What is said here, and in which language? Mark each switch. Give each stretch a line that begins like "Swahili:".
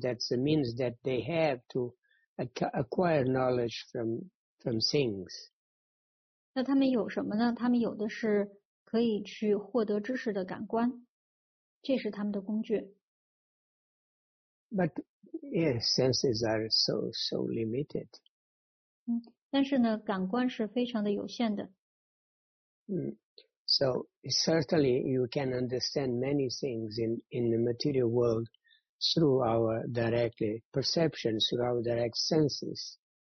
English: That's the means that they have to acquire knowledge from things.
Chinese: 那他们有什么呢？他们有的是可以去获得知识的感官，这是他们的工具。But
English: yes, senses are so limited.
Chinese: 但是呢，感官是非常的有限的。
English: So certainly you can understand many things in the material world through our direct perception, through our direct senses.